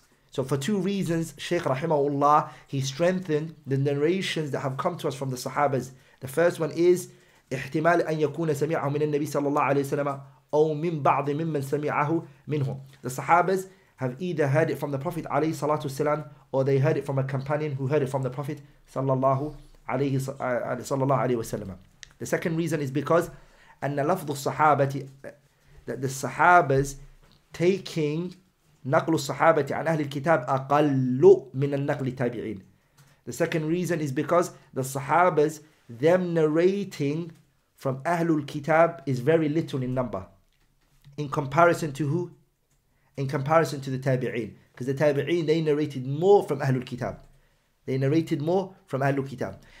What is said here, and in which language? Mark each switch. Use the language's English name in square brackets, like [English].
[English] So for two reasons, Shaykh Rahimahullah, he strengthened the narrations that have come to us from the Sahabas. The first one is [Arabic] احتمال أن يكون سمعه من النبي صلى الله عليه وسلم أو من بعض ممن سمعه منهم. [English] The Sahabas have either heard it from the Prophet عليه الصلاة والسلام, or they heard it from a companion who heard it from the Prophet صلى الله عليه وسلم. The second reason is because [Arabic] أن لفظ الصحابة, [English] that the Sahabas taking [Arabic] نقل الصحابة عن أهل الكتاب أقل من النقل التابعين. [English] The second reason is because the Sahabas, them narrating from Ahlul Kitab is very little in number. In comparison to who? In comparison to the Tabi'een. Because the Tabi'een, they narrated more from Ahlul Kitab. They narrated more from Ahlul Kitab.